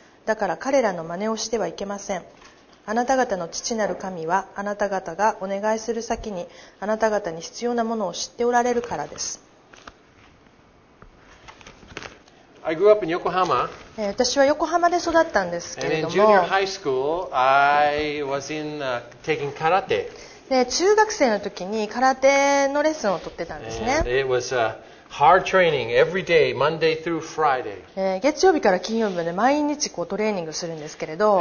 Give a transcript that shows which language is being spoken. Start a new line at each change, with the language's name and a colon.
Japanese: だから彼らの真似をしてはいけません。あなた方の父なる神はあなた方がお願いする先にあなた方に必要なものを知っておられるからです。
English: I grew up in Yokohama.
Japanese: 私は横浜で育ったんですけれども、
English: And in junior high school, I was in, taking karate.
Japanese: 中学生の時に空手のレッスンを取ってたんですね。
English: And it was a hard training every day, Monday through Friday.
Japanese: 月曜日から金曜日まで毎日こうトレーニングするんですけれど、